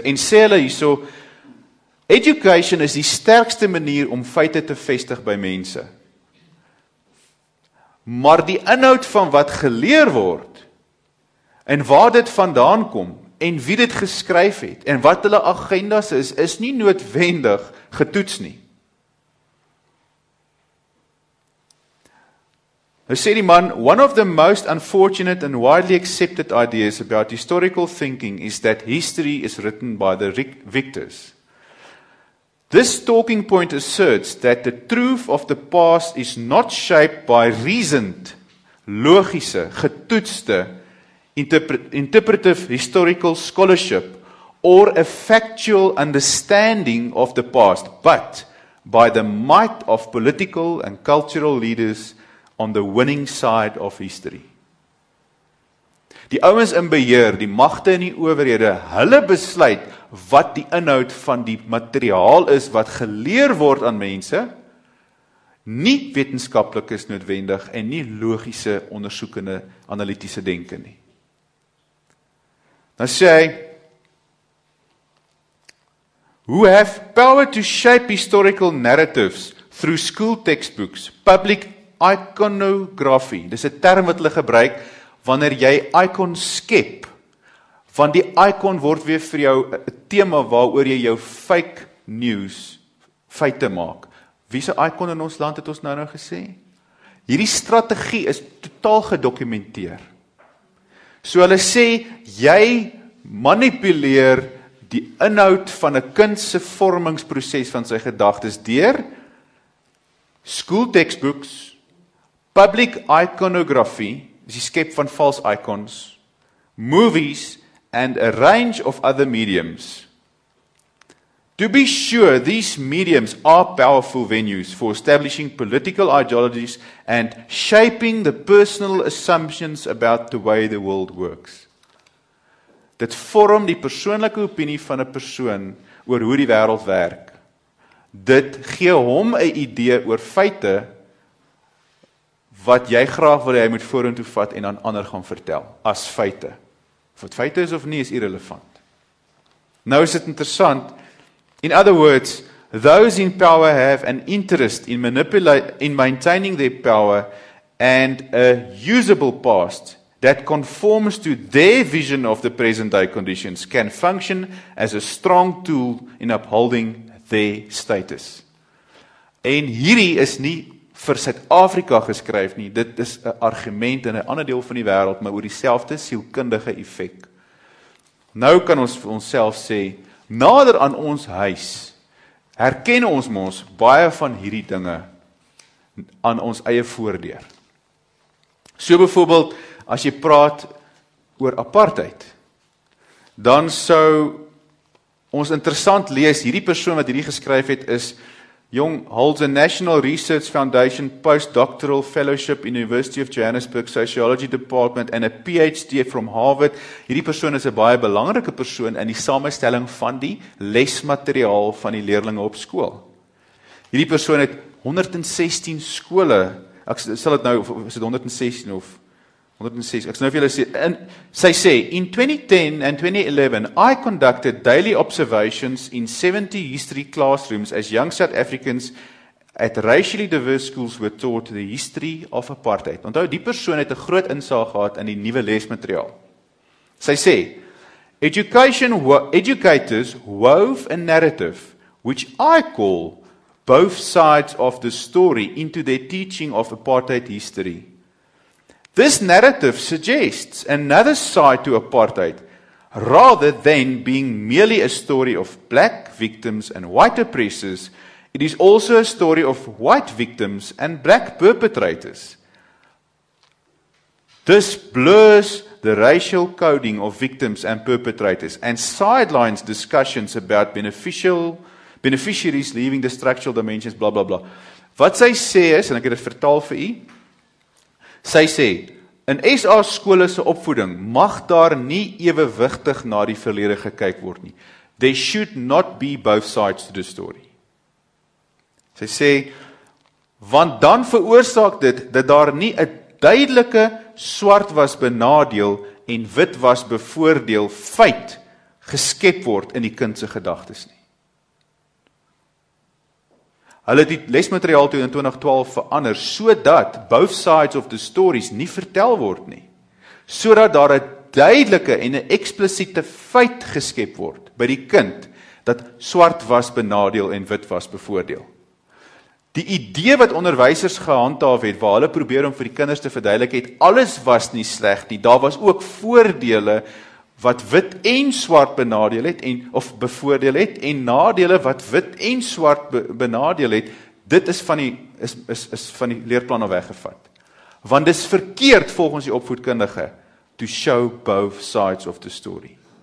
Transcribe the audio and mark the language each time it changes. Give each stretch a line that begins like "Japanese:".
Afrikaans: En sê hulle hierso, education is die sterkste manier om feite te vestig by mense. Maar die inhoud van wat geleer word en waar dit vandaan kom, en wie dit geskryf het, en wat hulle agendas is, is nie noodwendig getoets nie. Nou sê die man,
English: one of the most unfortunate and widely accepted ideas about historical thinking is that history is written by the victors. This talking point asserts that the truth of the past is not shaped by reasoned,
Afrikaans: logiese, getoetste,
English: interpretive historical scholarship or a factual understanding of the past, but by the might of political and cultural leaders on the winning side of history.
Afrikaans: Die ouens in beheer, die magte en die owerhede, hulle besluit wat die inhoud van die materiaal is wat geleer word aan mense, nie wetenskaplik is noodwendig en nie logiese ondersoekende analitiese denke nie. Nou sê hy,
English: who have power to shape historical narratives through school textbooks, public iconography.
Afrikaans: Dis 'n term wat hulle gebruik wanneer jy icon skep, want die icon word weer vir jou 'n tema waaroor jy jou fake news feite maak. Wie se icon in ons land het ons nou gesê? Hierdie strategie is totaal gedokumenteer. So hulle sê, jy manipuleer die inhoud van 'n kind se vormingsproses van sy gedagtes deur
English: school textbooks, public iconography,
Afrikaans: is die skep van vals icons,
English: movies and a range of other mediums. To be sure, these mediums are powerful venues for establishing political ideologies and shaping the personal assumptions about the way the world works.
Afrikaans: Dit vorm die persoonlike opinie van 'n persoon oor hoe die wêreld werk. Dit gee hom 'n idee oor feite wat jy graag wil hy moet vorentoe vat en aan ander gaan vertel as feite. Of dit feite is of nie is irrelevant. Nou is dit interessant.
English: In other words, those in power have an interest in maintaining their power and a usable past that conforms to their vision of the present-day conditions, can function as a strong tool in upholding their status.
Afrikaans: En hierdie is nie vir Suid-Afrika geskryf nie, dit is 'n argument in 'n ander deel van die wêreld, maar oor dieselfde sielkundige effek. Nou kan ons vir onsself sê, nader aan ons huis, herken ons mos baie van hierdie dinge aan ons eie voordeur. So byvoorbeeld, as jy praat oor apartheid, dan sou ons interessant lees, hierdie persoon wat hierdie geskryf het, is
English: Jung holds a National Research Foundation postdoctoral fellowship in the University of Johannesburg Sociology Department and a PhD from Harvard.
Afrikaans: Hierdie persoon is 'n baie belangrike persoon in die samestelling van die lesmateriaal van die leerlinge op skool. Hierdie persoon het 116 skole. Ek sal dit nou of is dit 116 of 106. Ek sê nou vir julle sê in
English: sy sê in 2010 and 2011 I conducted daily observations in 70 history classrooms as young South Africans at racially diverse schools were taught the history of apartheid.
Afrikaans: Onthou die persoon het 'n groot insig gehad in die nuwe lesmateriaal. Sy sê
English: educators wove a narrative which I call both sides of the story into their teaching of apartheid history. This narrative suggests another side to apartheid rather than being merely a story of black victims and white oppressors, it is also a story of white victims and black perpetrators. This blurs the racial coding of victims and perpetrators and sidelines discussions about beneficiaries leaving the structural dimensions, blah blah blah.
Afrikaans: Wat sy sê is, en ek het dit vertaal vir u, sy sê, in SA skole se opvoeding mag daar nie ewewigtig na die verlede gekyk word nie.
English: There should not be both sides to the story.
Afrikaans: Sy sê, want dan veroorsaak dit dat daar nie 'n duidelike swart was benadeel en wit was bevoordeel feit geskep word in die kind se gedagtes nie. Hulle het die lesmateriaal toe in 2012 verander sodat
English: both sides of the stories
Afrikaans: nie vertel word nie. Sodat daar 'n duidelike en 'n eksplisiete feit geskep word by die kind dat swart was benadeel en wit was bevoordeel. Die idee wat onderwysers gehandhaaf het waar hulle probeer om vir die kinders te verduidelik het alles was nie sleg nie. Daar was ook voordele wat wit en swart benadeel het en of bevoordeel het en nadele wat wit en swart benadeel het, dit is van die is van die leerplan al weggevat. Want dis verkeerd volgens die opvoedkundige
English: to show both sides of the story.